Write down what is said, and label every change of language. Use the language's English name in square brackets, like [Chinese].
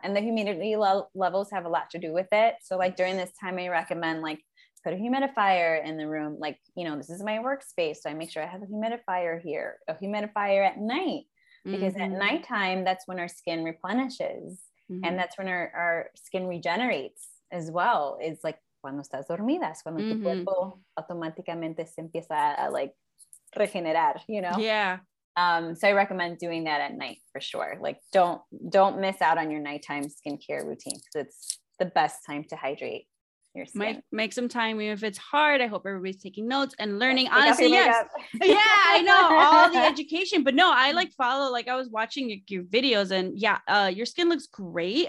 [English] And the humidity levels have a lot to do with it. So like during this time, I recommend like put a humidifier in the room. Like, you know, this is my workspace, so I make sure I have a humidifier here, a humidifier at night, because at nighttime, that's when our skin replenishes. And that's when our skin regenerates as well. [Spanish] It's like, cuando estás dormida, es cuando tu cuerpo automáticamente se empieza a like regenerar, you know? [English] Yeah. So I recommend doing that at night for sure. Like don't miss out on your nighttime skincare routine, because it's the best time to hydrate. Make some time, even if it's hard. I hope everybody's taking notes and learning. Yeah, honestly, yes. Yeah, I know all the education, but no, I like follow, like I was watching your videos and your skin looks great.